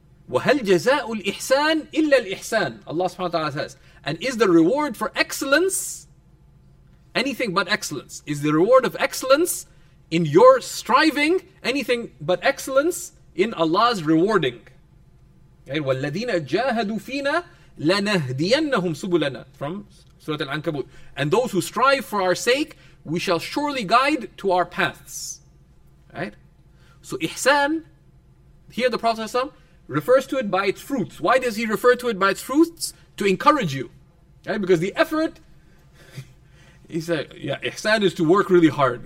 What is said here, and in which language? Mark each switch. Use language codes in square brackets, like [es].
[ar] وَهَلْ جَزَاءُ الْإِحْسَانِ إِلَّا الْإِحْسَانِ [en] Allah subhanahu wa ta'ala says, and is the reward for excellence anything but excellence? Is the reward of excellence in your striving anything but excellence in Allah's rewarding? [ar] وَالَّذِينَ جَاهَدُوا فِينَا لَنَهْدِيَنَّهُمْ سُبُلَنَا [en] from Surah Al-Ankabut. And those who strive for our sake, we shall surely guide to our paths. Right? So ihsan, here the Prophet refers to it by its fruits. Why does he refer to it by its fruits? To encourage you. Right? Because the effort, he said, yeah, ihsan is to work really hard.